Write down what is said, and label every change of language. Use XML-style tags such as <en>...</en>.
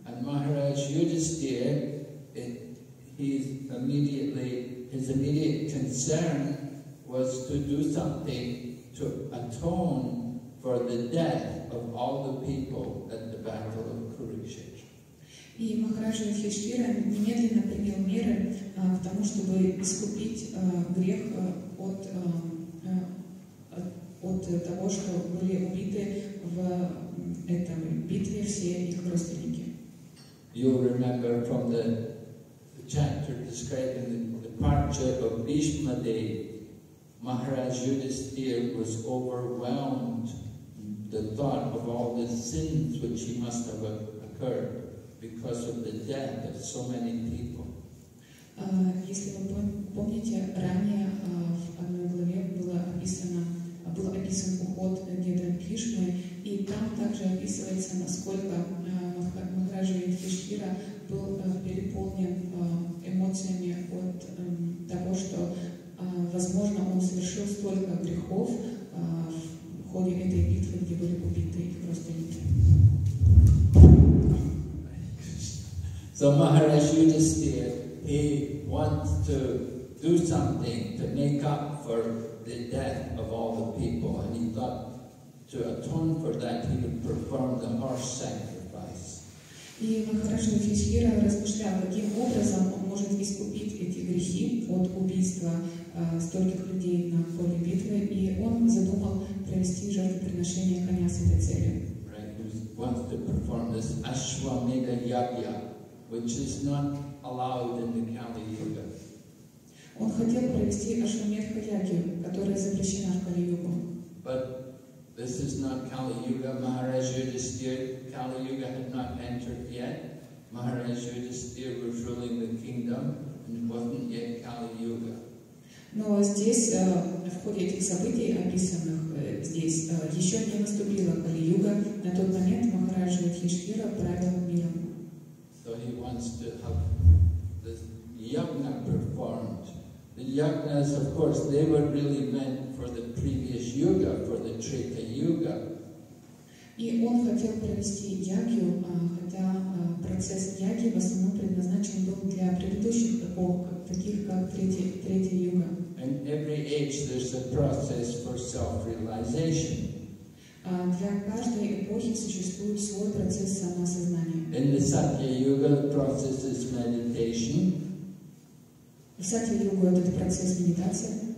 <en>And Maharaj Yudhisthira, his immediate concern was to do something to atone for the death of all the people at the battle of Kurukshetra.</en> <ru>И Махарадж Юдхиштхира немедленно принял меры к тому, чтобы искупить грех от того, что были убиты в этом битве все их родственники.</ru> <en>You remember from the chapter describing the departure of Bhishma Dev, Maharaj Yudhisthira was overwhelmed the thought of all the sins which he must have occurred because of the death of so many people.</en> <ru>Если вы помните, ранее в одной главе был описан уход деда Бхишмы, и там также описывается, насколько Махараджа Юдхиштхира был переполнен эмоциями от того, что, возможно, он совершил столько грехов в ходе этой битвы, где были убиты их родственники.</ru> <en>So Maharaj Yudhisthira, he wants to do something to make up for the death of all the people, and he thought to atone for that, he would perform the horse sacrifice.</en> <ru>И Махараджа Юдхиштхира размышлял, каким образом он может искупить эти грехи от убийства стольких людей на поле битвы, и он задумал провести жертвоприношение коня с этой целью.</ru> <en>Right, he wants to perform this Ashwamedha Yagya, which is not allowed in the Kali Yuga.</en> <ru>Он хотел провести Ашвамедха Ягью, которая запрещена в Кали Югу.</ru> <en>This is not Kali Yuga, Maharaj Yudhisthira. Kali Yuga had not entered yet. Maharaj Yudhisthira was ruling the kingdom, and it wasn't yet Kali Yuga.</en> <ru>Но здесь, в ходе этих событий, описанных здесь, еще не наступила Кали Юга. На тот момент Махараджа Юдхиштхира правил миром.</ru> <en>So he wants to have the yagna performed. The yagnas, of course, they were really meant for the previous yuga, for the Treta Yuga.</en> <ru>И он хотел провести ягью, хотя процесс яги в основном предназначен был для предыдущих эпох, таких как Третья Юга.</ru> <en>In every age there's a process for self-realization.</en> <ru>Для каждой эпохи существует свой процесс самосознания.</ru> <en>In the Satya Yuga, the process is meditation.</en> <ru>В Сатья-йогу этот процесс медитации.</ru>